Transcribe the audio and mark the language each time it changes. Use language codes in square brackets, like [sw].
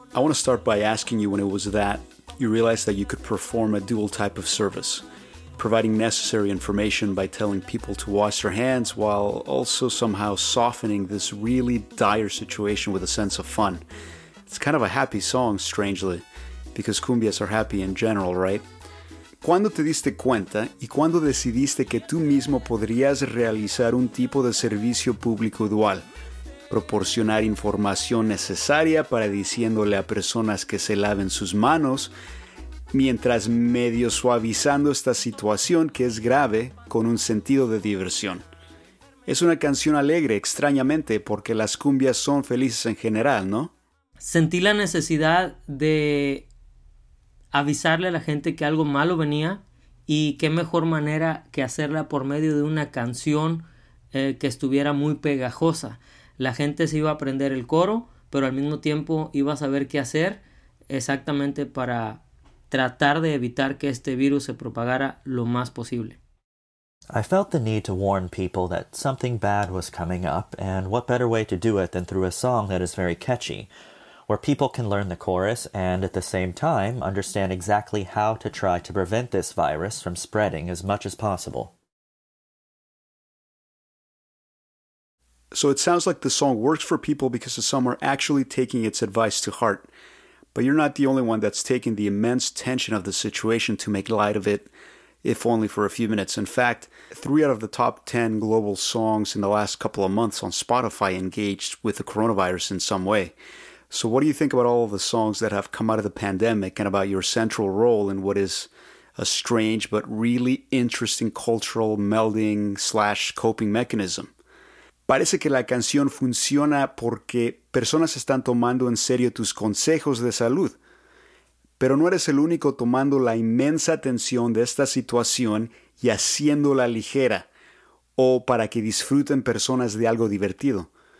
[en] I want to start by asking you when it was that you realized that you could perform a dual type of service, providing necessary information by telling people to wash their hands while also somehow softening this really dire situation with a sense of fun. It's kind of a happy song, strangely, because cumbias are happy in general, right? [es] ¿Cuándo te diste cuenta y cuándo decidiste que tú mismo podrías realizar un tipo de servicio público dual? Proporcionar información necesaria para diciéndole a personas que se laven sus manos, mientras medio suavizando esta situación que es grave con un sentido de diversión. Es una canción alegre, extrañamente, porque las cumbias son felices en general, ¿no? Sentí la necesidad de avisarle a la gente que algo malo venía y qué mejor manera que hacerla por medio de una canción que estuviera muy pegajosa. La gente se iba a aprender el coro, pero al mismo tiempo iba a saber qué hacer exactamente para tratar de evitar que este virus se propagara lo más posible. [en] I felt the need to warn people that something bad was coming up, and what better way to do it than through a song that is very catchy, where people can learn the chorus and at the same time understand exactly how to try to prevent this virus from spreading as much as possible. So it sounds like the song works for people because some are actually taking its advice to heart. But you're not the only one that's taken the immense tension of the situation to make light of it, if only for a few minutes. In fact, 3 out of the top 10 global songs in the last couple of months on Spotify engaged with the coronavirus in some way. So what do you think about all of the songs that have come out of the pandemic and about your central role in what is a strange but really interesting cultural melding slash coping mechanism? [es] Parece que la canción funciona porque personas están tomando en serio tus consejos de salud. Pero no eres el único tomando la inmensa tensión de esta situación y haciéndola ligera o para que disfruten personas de algo divertido.